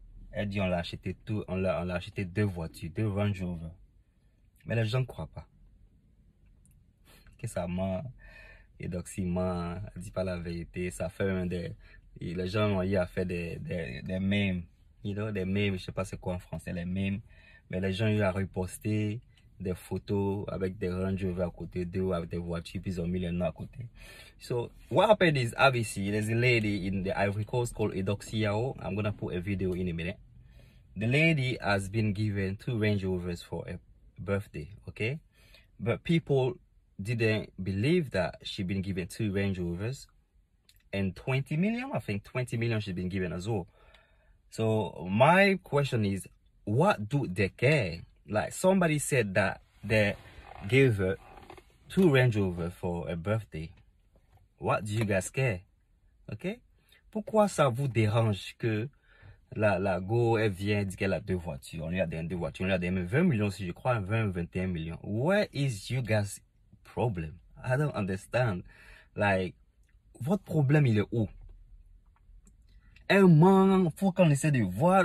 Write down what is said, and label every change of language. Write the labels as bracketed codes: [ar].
[fr] Elle dit on l'a acheté tout. On l'a acheté 2 voitures, 2 Range Rover. Mais les gens ne croient pas. Que ça ment. Edoxi ment. Elle ne dit pas la vérité. Ça fait même des. Les gens ont eu à faire des mèmes. [en] You know, [fr] des mèmes. Je ne sais pas c'est quoi en français, les mèmes. Mais les gens ont eu à reposter des photos avec des Range Rover à côté d'eux, avec des voitures, puis ils ont mis les noms à côté. [en] So, what happened is, obviously, there's a lady in the Ivory Coast called Edoxi Yao. I'm gonna put a video in a minute. The lady has been given 2 Range Rovers for a birthday, okay? But people didn't believe that she'd been given 2 Range Rovers and 20 million. I think 20 million she'd been given as well. So, my question is, what do they care? Like, somebody said that they gave her 2 Range Rovers for a birthday. What do you guys care? Okay? [fr] Pourquoi ça vous dérange que la go, elle vient, dit qu'elle a 2 voitures. On lui a donné 2 voitures. On lui a donné 20 millions, si je crois, 20, 21 millions. [en] Where is you guys' problem? I don't understand. [fr] Like, votre problème, il est où? Elle ment, faut qu'on essaie de voir.